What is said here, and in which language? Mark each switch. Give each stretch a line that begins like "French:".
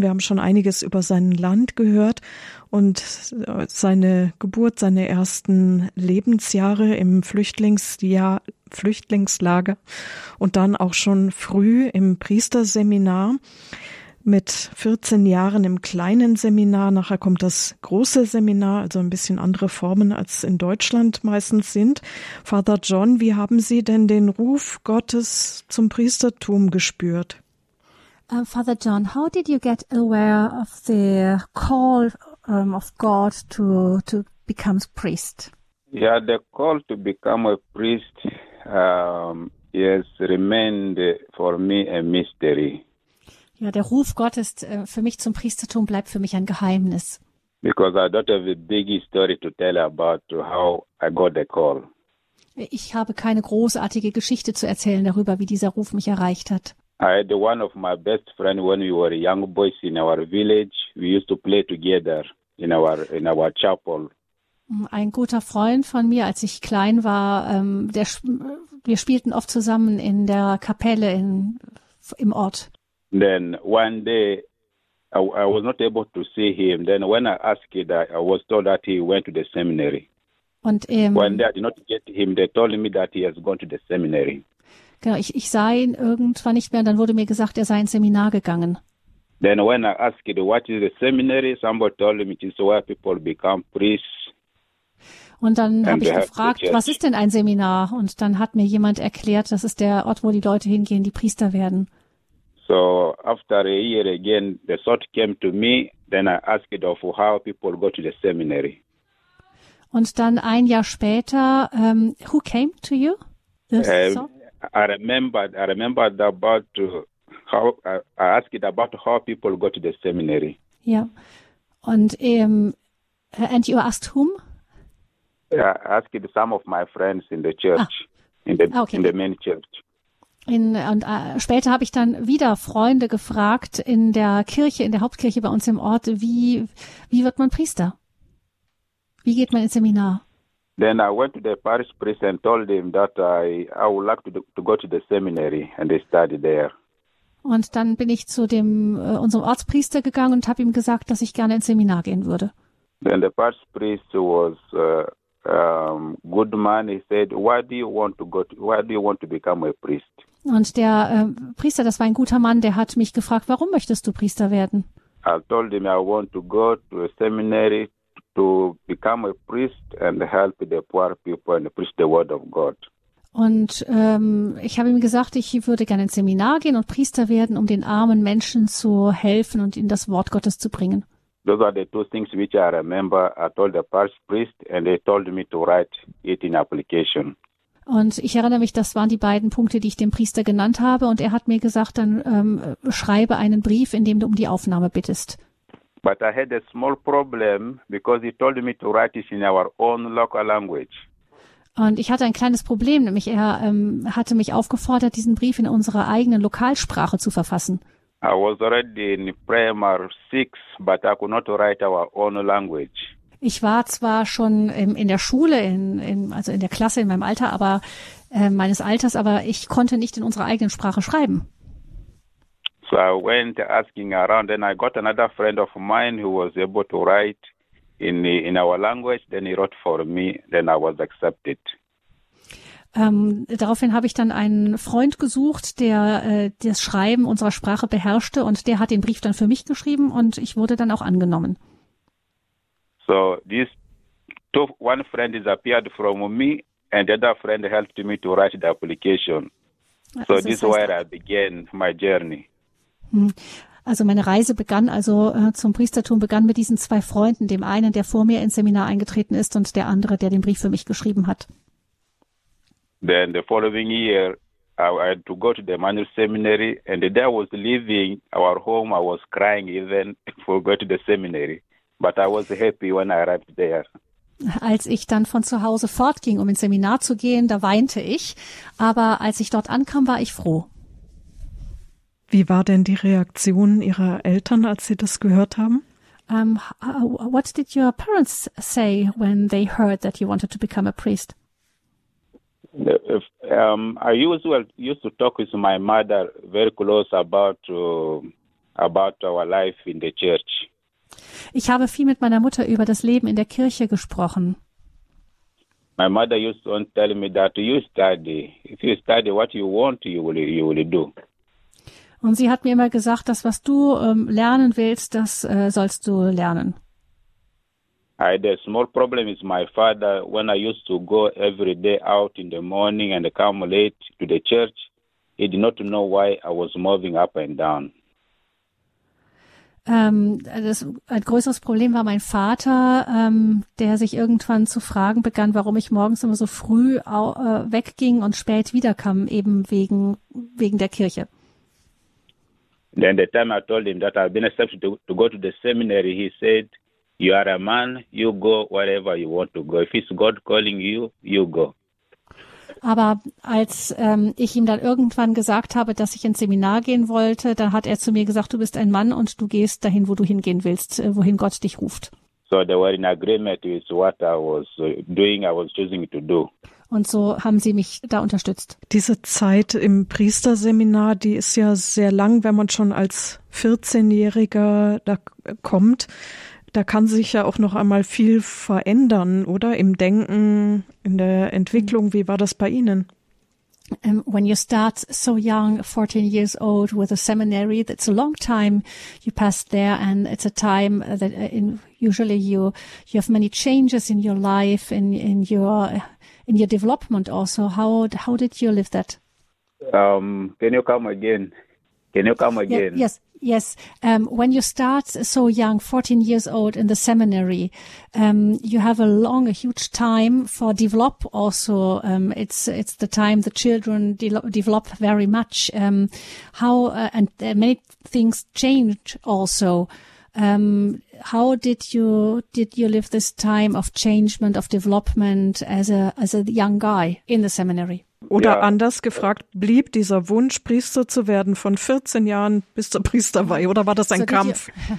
German: Wir haben schon einiges über sein Land gehört und seine Geburt, seine ersten Lebensjahre im Flüchtlingslager und dann auch schon früh im Priesterseminar. mit 14 Jahren im kleinen Seminar. Nachher kommt das große Seminar, also ein bisschen andere Formen, als in Deutschland meistens sind. Father John, wie haben Sie denn den Ruf Gottes zum Priestertum gespürt?
English: Father John, how did you get aware of the call of God to become a priest? Yeah, the call to become a priest remained for me a mystery.
German: Ja, der Ruf Gottes für mich zum Priestertum bleibt für mich ein Geheimnis.
English: Because I don't have a big story to tell about how I got the call.
German: Ich habe keine großartige Geschichte zu erzählen darüber, wie dieser Ruf mich erreicht hat.
English: I had one of my best friends when we were young boys in our village. We used to play together in our chapel.
German: Ein guter Freund von mir, als ich klein war, wir spielten oft zusammen in der Kapelle im Ort.
English: Then one day, I was not able to see him. Then when I asked, I was told that he went to the seminary.
German: Und
English: when they did not get him, they told me that he has gone to the seminary.
German: Genau, ich sah ihn irgendwann nicht mehr, und dann wurde mir gesagt, er sei ins Seminar gegangen.
English: Then when I asked, what is the seminary, somebody told me, it is where people become priests.
German: Und dann habe ich gefragt, was ist denn ein Seminar? Und dann hat mir jemand erklärt, das ist der Ort, wo die Leute hingehen, die Priester werden.
English: So after a year again, the thought came to me, then I asked of how people go to the seminary.
German: Und dann ein Jahr später,
English: who came to you? I remembered about how I asked about how people go to the seminary. Yeah. And you asked whom? Yeah, I asked some of my friends in the church, in the main church.
German: Später habe ich dann wieder Freunde gefragt in der Kirche, in der Hauptkirche bei uns im Ort, wie wird man Priester? Wie geht man ins Seminar?
English: Then I went to the parish priest and told him that I would like to go to the seminary and study there.
German: Und dann bin ich zu unserem Ortspriester gegangen und habe ihm gesagt, dass ich gerne ins Seminar gehen würde.
English: Then the parish priest was good man. He said, "Why do you want to go? Why do you want to become a priest?"
German: Und der Priester, das war ein guter Mann, der hat mich gefragt, warum möchtest du Priester werden?
English: I told him I want to go to a seminary to become a priest and help the poor people and preach the word of God.
German: Und ich habe ihm gesagt, ich würde gerne ins Seminar gehen und Priester werden, um den armen Menschen zu helfen und ihnen das Wort Gottes zu bringen.
English: Those are the two things which I remember. I told the parish priest and they told me to write it in application.
German: Und ich erinnere mich, das waren die beiden Punkte, die ich dem Priester genannt habe. Und er hat mir gesagt, dann schreibe einen Brief, in dem du um die Aufnahme bittest.
English: But I had a small problem because he told me to write it in our own local language.
German: Und ich hatte ein kleines Problem, nämlich er hatte mich aufgefordert, diesen Brief in unserer eigenen Lokalsprache zu verfassen.
English: I was already in primary 6, but I could not write our own language.
German: Ich war zwar schon in der Schule, also in der Klasse, in meinem Alter, aber meines Alters, aber ich konnte nicht in unserer eigenen Sprache schreiben.
English: So I went asking around, then I got another friend of mine who was able to write in our language, then he wrote for me, then I was accepted.
German: Daraufhin habe ich dann einen Freund gesucht, der das Schreiben unserer Sprache beherrschte, und der hat den Brief dann für mich geschrieben und ich wurde dann auch angenommen.
English: So this one friend disappeared from me and the other friend helped me to write the application. So this is where I began my journey.
German: Also meine Reise begann also zum Priestertum, begann mit diesen zwei Freunden, dem einen, der vor mir ins Seminar eingetreten ist, und der andere, der den Brief für mich geschrieben hat.
English: Then the following year I had to go to the Manuel Seminary and the day I was leaving our home I was crying even for going to the seminary. But I was happy when I arrived there.
German: Als ich dann von zu Hause fortging, um ins Seminar zu gehen, da weinte ich. Aber als ich dort ankam, war ich froh. Wie war denn die Reaktion Ihrer Eltern, als Sie das gehört haben?
English: What did your parents say when they heard that you wanted to become a priest? I used to talk with my mother very close about our life in the church.
German: Ich habe viel mit meiner Mutter über das Leben in der Kirche gesprochen.
English: My mother used to tell me that you study. If you study what you want, you will do.
German: Und sie hat mir immer gesagt, das, was du lernen willst, das sollst du lernen.
English: I had a small problem with my father when I used to go every day out in the morning and come late to the church. He did not know why I was moving up and down.
German: Ein größeres Problem war mein Vater, der sich irgendwann zu fragen begann, warum ich morgens immer so früh wegging und spät wiederkam, eben wegen der Kirche.
English: Then the time I told him that I've been accepted to go to the seminary, he said, "You are a man, you go wherever you want to go. If it's God calling you, you go."
German: Aber als ich ihm dann irgendwann gesagt habe, dass ich ins Seminar gehen wollte, dann hat er zu mir gesagt, du bist ein Mann und du gehst dahin, wo du hingehen willst, wohin Gott dich ruft.
English: So they were in agreement with what I was doing, I was choosing to do.
German: Und so haben sie mich da unterstützt. Diese Zeit im Priesterseminar, die ist ja sehr lang, wenn man schon als 14-Jähriger da kommt. Da kann sich ja auch noch einmal viel verändern, oder? Im Denken, in der Entwicklung. Wie war das bei Ihnen?
English: When you start so young, 14 years old, with a seminary, that's a long time you pass there, and it's a time that usually you have many changes in your life, in your development also. How did you live that? Can you come again? Yes. Yes, when you start so young, 14 years old in the seminary, you have a huge time for develop also. It's the time the children develop very much. Many things change also. How did you live this time of changement, of development as a young guy in the seminary?
German: Oder ja. Anders gefragt, blieb dieser Wunsch, Priester zu werden, von 14 Jahren bis zur Priesterweihe, oder war das ein Kampf?